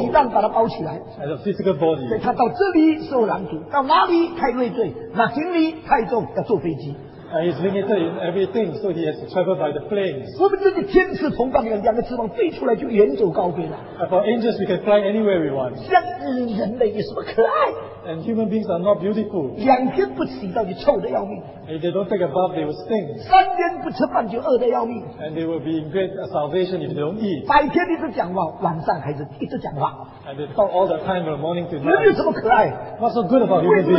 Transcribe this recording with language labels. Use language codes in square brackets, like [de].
[zh] 臭皮蛋把它包起来。 [en] As a physical body. [zh] 所以他到这里受拦阻，到哪里太累赘，那行李太重要坐飞机。 [en] And he's limited in everything, so he has to travel by the planes. [zh] 我们这些天使同伴两个翅膀飞出来就远走高飞了。 [en] For angels, we can fly anywhere we want. [zh] 像人类有什么可爱？ [en] And human beings are not beautiful. [zh] 两天不洗澡就臭得要命。 [en] If they don't take a bath, they will stink. [zh] 三天不吃饭就饿得要命。 [en] And they will be in great starvation if they don't eat. [zh] 白天一直讲话，晚上还是一直讲话。 [en] And they talk all the time from morning to night. [zh] 人有什么可爱？ [en] What's so good about human beings?